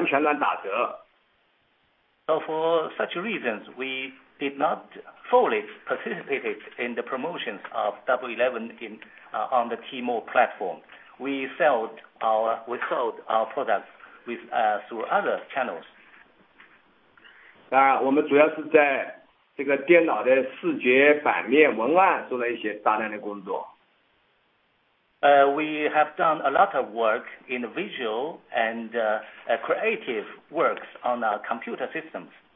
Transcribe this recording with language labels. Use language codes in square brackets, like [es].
[zh] 所以我们今年呢，也没有完全参与他们，我们有很多货最后也是卖了不够了的，也没有完全乱打折。 [en] So for such reasons, we did not fully participate in the promotions of Double 11 in on the Tmall platform. We sold our products with through other channels. [zh] 当然，我们主要是在 这个电脑的视觉版面文案做了一些大量的工作。 [en] We have done a lot of work in visual and creative works on our computer systems.